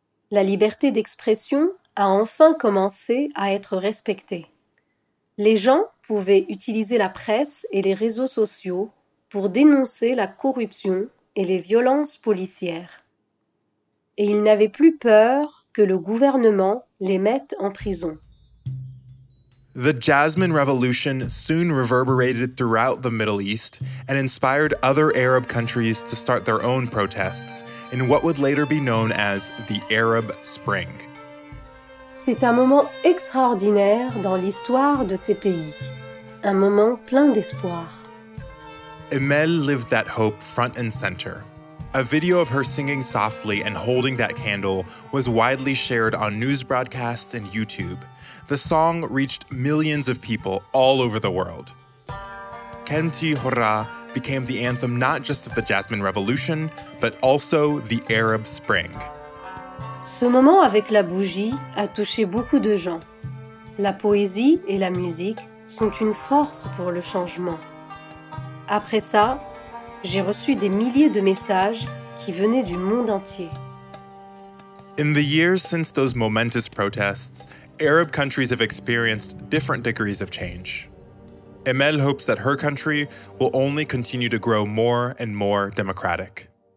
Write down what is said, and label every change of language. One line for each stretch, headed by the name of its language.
French: La liberté d'expression a enfin commencé à être respectée. Les gens pouvaient utiliser la presse et les réseaux sociaux pour dénoncer la corruption et les violences policières. Et ils n'avaient plus peur que le gouvernement les mette en prison.
English: The Jasmine Revolution soon reverberated throughout the Middle East and inspired other Arab countries to start their own protests in what would later be known as the Arab Spring.
French: C'est un moment extraordinaire dans l'histoire de ces pays. Un moment plein d'espoir.
English: Imel lived that hope front and center. A video of her singing softly and holding that candle was widely shared on news broadcasts and YouTube. The song reached millions of people all over the world. Kemti Hora became the anthem not just of the Jasmine Revolution, but also the Arab Spring.
French: Ce moment avec la bougie a touché beaucoup de gens. La poésie et la musique sont une force pour le changement. Après ça, j'ai reçu des milliers de messages qui venaient du monde entier.
English: In the years since those momentous protests, Arab countries have experienced different degrees of change. Emel hopes that her country will only continue to grow more and more democratic.